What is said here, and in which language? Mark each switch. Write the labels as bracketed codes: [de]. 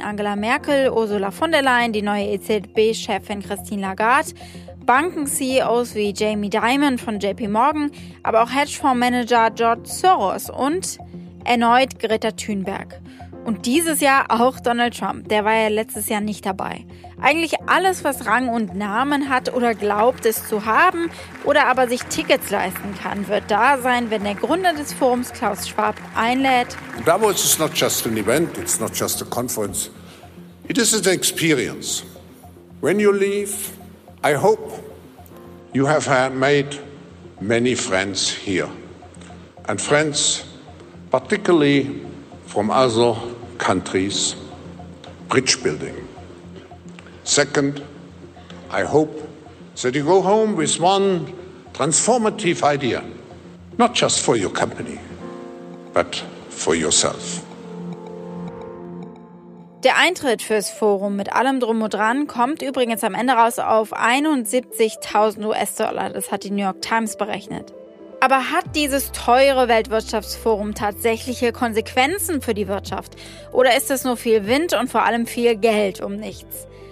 [de] Angela Merkel, Ursula von der Leyen, die neue EZB-Chefin Christine Lagarde, Banken-CEOs wie Jamie Dimon von JP Morgan, aber auch Hedgefondsmanager George Soros und erneut Greta Thunberg. Und dieses Jahr auch Donald Trump, der war ja letztes Jahr nicht dabei. Eigentlich alles, was Rang und Namen hat oder glaubt es zu haben oder aber sich Tickets leisten kann, wird da sein, wenn der Gründer des Forums, Klaus Schwab, einlädt. [en] Davos is not just an event, it's not just a conference, it is an experience. When you leave, I hope you have made many friends here. And friends particularly from other countries, bridge building. Second, I hope that you go home with one transformative idea, not just for your company, but for yourself. [de] Der Eintritt fürs Forum mit allem Drum und Dran kommt übrigens am Ende raus auf 71.000 US-Dollar, das hat die New York Times berechnet. Aber hat dieses teure Weltwirtschaftsforum tatsächliche Konsequenzen für die Wirtschaft? Oder ist es nur viel Wind und vor allem viel Geld um nichts?